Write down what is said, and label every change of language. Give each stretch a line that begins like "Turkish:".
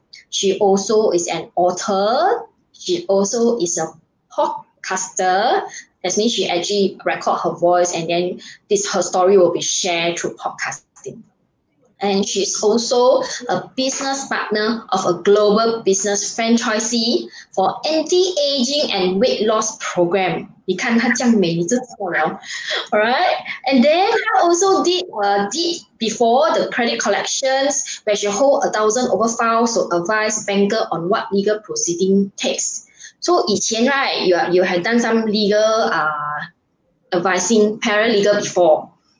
English: She also is an author. She also is a podcaster. That means she actually record her voice and then this her story will be shared through podcasting. And she's also a business partner of a global business franchisee for anti-aging and weight loss program.
Chinese: 你看她这样美，你就知道了。
English: Alright, and then 她 also did before the credit collections, where she hold 1,000 over files to advise banker on what legal proceeding takes. So 以前 right, you have done some legal advising paralegal before.